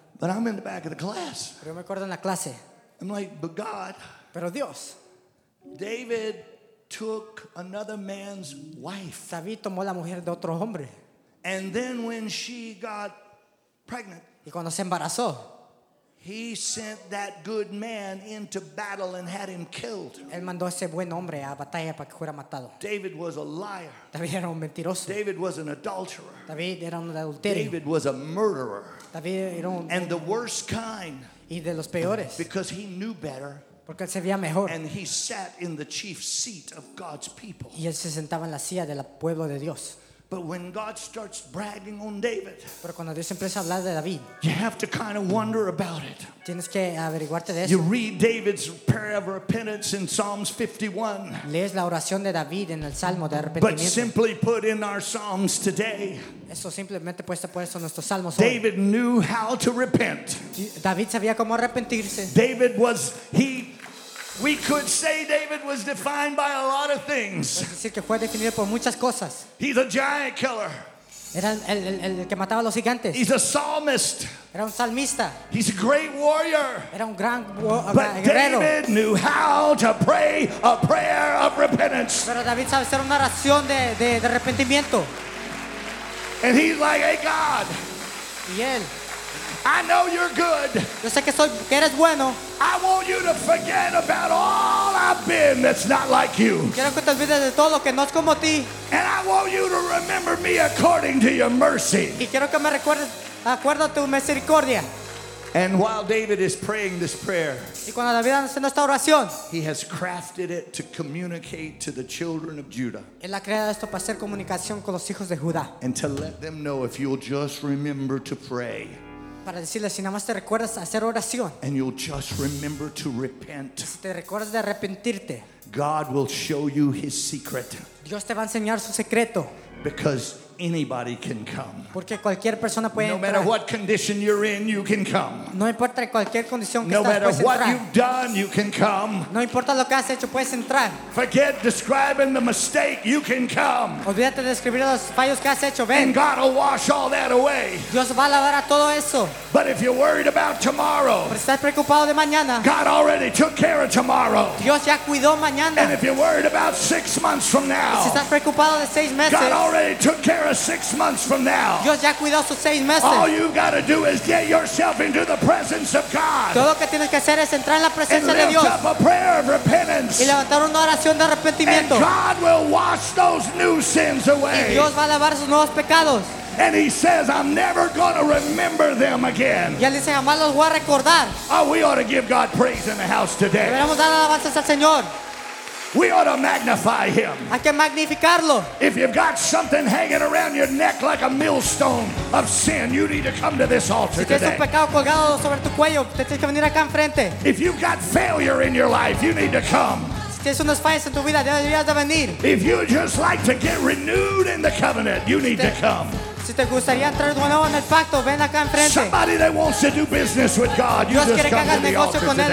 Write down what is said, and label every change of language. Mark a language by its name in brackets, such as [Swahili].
[English] But I'm in the back of the class. [Spanish] Pero yo me acuerdo en la clase. [English] I'm like, but God. [Spanish] Pero Dios. [English] David took another man's wife. [Spanish] David tomó la mujer de otro hombre. [English] And then when she got pregnant. [Spanish] Y cuando se embarazó. [English] He sent that good man into battle and had him killed. [Spanish] Él mandó ese buen hombre a batalla para que fuera matado. [English] David was a liar. [Spanish] David era un mentiroso. [English] David was an adulterer. [Spanish] David era un adulterio. [English] David was a murderer. [Spanish] David era un [English] and the worst kind. [Spanish] Y de los peores. [English] Because he knew better. [Spanish] Porque él sabía mejor. [English] And he sat in the chief seat of God's people. [Spanish] Y él se sentaba en la silla del pueblo de Dios. [English] But when God starts bragging on David, [Spanish] pero cuando Dios empieza a hablar de David, [English] you have to kind of wonder about it. [Spanish] Tienes que averiguarte de eso. [English] You read David's prayer of repentance in Psalms 51. [Spanish] Lees la oración de David en el Salmo de arrepentimiento. [English] But simply put in our Psalms today, [Spanish] eso simplemente puesto por eso en nuestros Salmos. [English] David knew how to repent. [Spanish] David sabía cómo arrepentirse. [English] David was he. We could say David was defined by a lot of things. He's a giant killer. He's a psalmist. He's a great warrior. But David knew how to pray a prayer of repentance. And he's like, hey God. I know you're good. [Spanish] Yo sé que soy, que eres bueno. [English] I want you to forget about all I've been that's not like you. [Spanish] Quiero que te olvides de todo lo que no es como ti. [English] And I want you to remember me according to your mercy. [Spanish] Y quiero que me recuerdes, acuerdo tu misericordia. [English] And while David is praying this prayer, [Spanish] y cuando David está haciendo esta oración, [English] he has crafted it to communicate to the children of Judah. [Spanish] Él ha creado esto para hacer comunicación con los hijos de Judá. [English] And to let them know if you'll just remember to pray. [Spanish] Para decirle, si nada más te recuerdas hacer oración, [English] and you'll just remember to repent, [Spanish] si te recuerdas de arrepentirte, [English] God will show you his secret. [Spanish] Dios te va a enseñar su secreto. [English] Because anybody can come. [Spanish] Porque cualquier persona puede [English] no [Spanish] entrar. [English] Matter what condition you're in, you can come. [Spanish] No importa cualquier condición que [English] no [Spanish] estás, [English] matter [Spanish] puedes [English] what [Spanish] entrar. [English] You've done, you can come. [Spanish] No importa lo que has hecho, puedes entrar. [English] Forget describing the mistake, you can come. [Spanish] Olvídate de describir los fallos que has hecho, ven. [English] And God will wash all that away. [Spanish] Dios va a lavar a todo eso. [English] But if you're worried about tomorrow, [Spanish] pero estás preocupado de mañana, [English] God already took care of tomorrow. [Spanish] Dios ya cuidó mañana. [English] And if you're worried about 6 months from now, [Spanish] si estás preocupado de seis meses, [English] God already took care of 6 months from now. [Spanish] Dios ya cuidó sus seis meses. [English] All you've got to do is get yourself into the presence of God. [Spanish] Todo lo que tienes que hacer es entrar en la presencia de Dios. [English] And lift up a prayer of repentance. [Spanish] Y levantar una oración de arrepentimiento. [English] And God will wash those new sins away. [Spanish] Y Dios va a lavar sus nuevos pecados. [English] And he says, I'm never going to remember them again. [Spanish] Y él dice, jamás los voy a recordar. [English] Oh, we ought to give God praise in the house today. [Spanish] Deberíamos dar alabanzas al Señor. [English] We ought to magnify him. [Spanish] Hay que magnificarlo. [English] If you've got something hanging around your neck like a millstone of sin, you need to come to this altar today. [Spanish] Si tienes un pecado colgado sobre tu cuello, tienes que venir acá enfrente. [English] If you've got failure in your life, you need to come. [Spanish] Si tienes unas fallas en tu vida, deberías de venir. [English] If you just like to get renewed in the covenant, you need to come. [Spanish] Si te gustaría entrar de nuevo en el pacto, ven acá enfrente. [English] Somebody that wants to do business with God, you just come to the altar today.